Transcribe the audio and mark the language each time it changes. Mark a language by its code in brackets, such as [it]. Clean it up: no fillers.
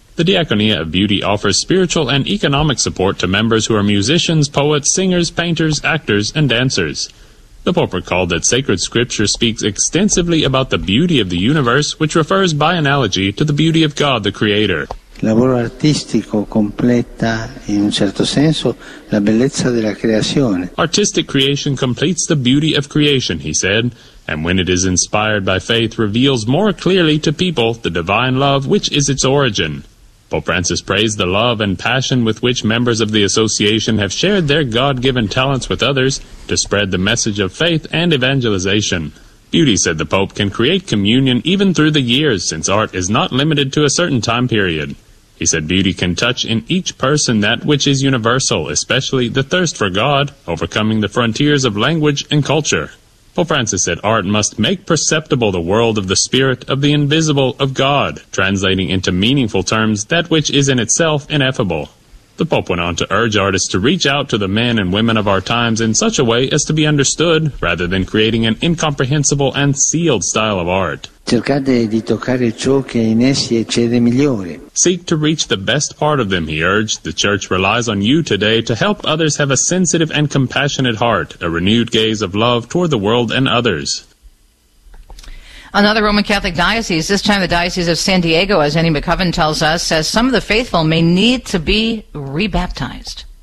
[en] The Diaconia of Beauty offers spiritual and economic support to members who are musicians, poets, singers, painters, actors, and dancers. The Pope recalled that sacred scripture speaks extensively about the beauty of the universe, which refers by analogy to the beauty of God the Creator. [it] Lavoro artistico completa, in un certo senso, la bellezza della creazione. [en] Artistic creation completes the beauty of creation, he said, and when it is inspired by faith, reveals more clearly to people the divine love which is its origin. Pope Francis praised the love and passion with which members of the association have shared their God-given talents with others to spread the message of faith and evangelization. Beauty, said the Pope, can create communion even through the years, since art is not limited to a certain time period. He said beauty can touch in each person that which is universal, especially the thirst for God, overcoming the frontiers of language and culture. Pope Francis said art must make perceptible the world of the spirit, of the invisible, of God, translating into meaningful terms that which is in itself ineffable. The Pope went on to urge artists to reach out to the men and women of our times in such a way as to be understood, rather than creating an incomprehensible and sealed style of art. [it] Cercate di toccare ciò che in essi eccede migliore. [en] Seek to reach the best part of them, he urged. The Church relies on you today to help others have a sensitive and compassionate heart, a renewed gaze of love toward the world and others. Another Roman Catholic diocese, this time the Diocese of San Diego, as Annie McCoven tells us, says some of the faithful may need to be rebaptized.